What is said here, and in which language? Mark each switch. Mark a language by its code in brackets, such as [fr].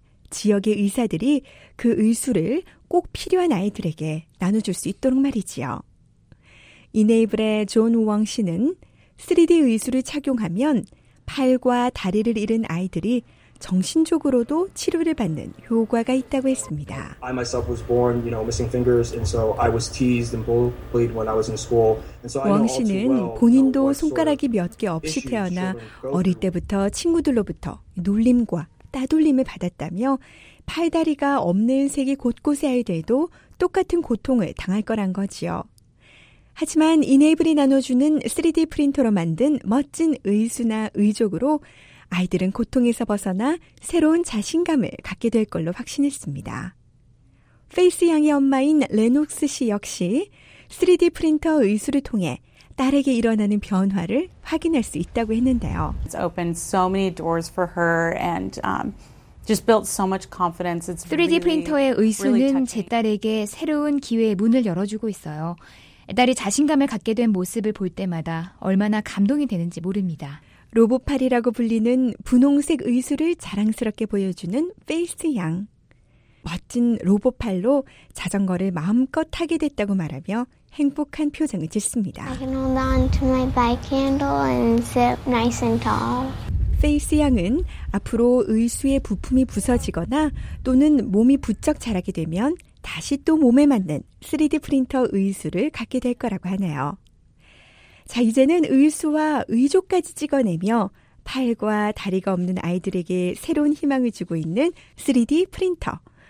[ko] 지역의 의사들이 그 의수를 꼭 필요한 아이들에게 나눠줄 수 있도록 말이지요. 이네이블의 존 우왕 씨는 3D 의수를 착용하면 팔과 다리를 잃은 아이들이 정신적으로도 치료를 받는 효과가 있다고 했습니다. [en] I myself was born, you know, missing fingers and so I was teased and bullied when I was in school. And so I know. [ko] 왕 씨는 본인도 손가락이 몇 개 없이 태어나 어릴 때부터 친구들로부터 놀림과 따돌림을 받았다며 팔다리가 없는 세계 곳곳의 아이들도 똑같은 고통을 당할 거란 거지요. 하지만 이네이블이 나눠주는 3D 프린터로 만든 멋진 의수나 의족으로 아이들은 고통에서 벗어나 새로운 자신감을 갖게 될 걸로 확신했습니다. 페이스 양의 엄마인 레녹스 씨 역시 3D 프린터 의수를 통해 딸에게 일어나는 변화를 확인할 수 있다고 했는데요. [en] It's opened so many doors for her and just built so much confidence. It's really, [ko] 3D 프린터의 의수는 제 딸에게 새로운 기회의 문을 열어주고 있어요. 딸이 자신감을 갖게 된 모습을 볼 때마다 얼마나 감동이 되는지 모릅니다. 로봇팔이라고 불리는 분홍색 의수를 자랑스럽게 보여주는 페이스 양. 멋진 로봇팔로 자전거를 마음껏 타게 됐다고 말하며 행복한 표정을 짓습니다. [en] I can hold on to my bike handle and sit nice and tall. [ko] 페이스 양은 앞으로 의수의 부품이 부서지거나 또는 몸이 부쩍 자라게 되면 다시 또 몸에 맞는 3D 프린터 의수를 갖게 될 거라고 하네요. 자, 이제는 의수와 의족까지 찍어내며 팔과 다리가 없는 아이들에게 새로운 희망을 주고 있는 3D 프린터.